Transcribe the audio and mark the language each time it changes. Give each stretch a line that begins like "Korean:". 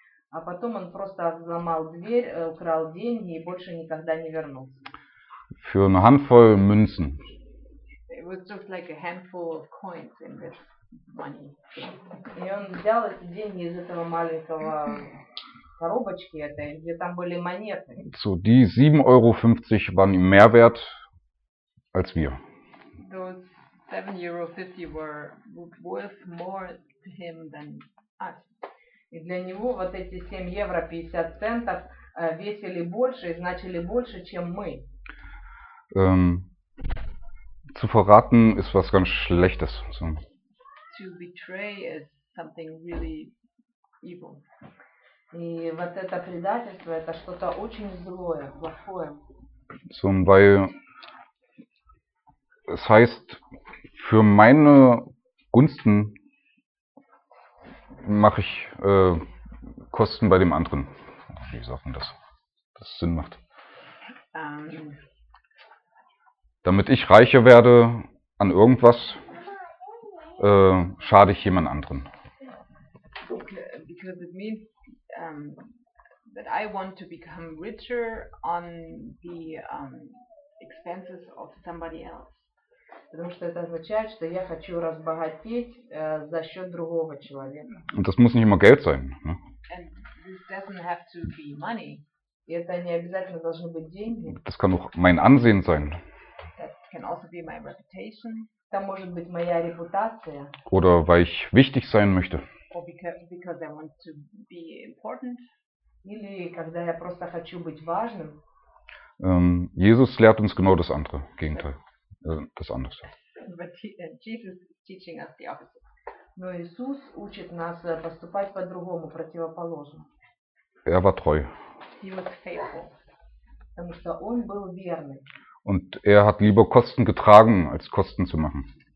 Russian: А потом он просто взломал дверь, украл деньги и больше никогда не вернулся.
German: Für eine Handvoll Münzen.
English: It was just like a handful of coins in this.
Russian: Money. И он взял эти деньги из этого маленького коробочки, этой, где там были монеты.
German: So, die 7,50 € waren ihm mehr wert als wir.
English: Those 7,50 € were worth more to him than us.
Russian: И для него вот эти 7,50 € весили больше и значили больше, чем мы.
German: Zu verraten ist was ganz Schlechtes. So.
English: To betray is something really evil.
Russian: И вот это предательство это что-то очень злое, плохое.
German: So, weil es heißt, für meine Gunsten mache ich Kosten bei dem anderen. Wie sagt man das? Das Sinn macht. Damit ich reicher werde an irgendwas. Schade ich jemand anderen.
English: Okay, because it means that I want to become richer on the expenses of somebody else.
Russian: Потому что это означает, что я хочу разбогатеть за счет другого человека.
German: Und das muss nicht immer Geld sein, ne?
English: And this doesn't have to be money.
Russian: И это не обязательно должны быть деньги.
German: Das kann auch mein Ansehen sein.
English: That can also be my reputation.
Russian: Это может быть моя репутация.
German: Oder weil ich wichtig sein möchte.
English: Or because I want to be important.
Russian: Или когда я просто хочу быть важным.
German: Jesus lehrt uns genau das andere, Gegenteil. Das andere.
English: Jesus is teaching us the opposite.
Russian: Но Иисус учит нас поступать по-другому, противоположно.
German: Er war treu.
English: He was faithful.
Russian: Потому что он был верный.
German: Und hat lieber Kosten getragen, als Kosten zu machen.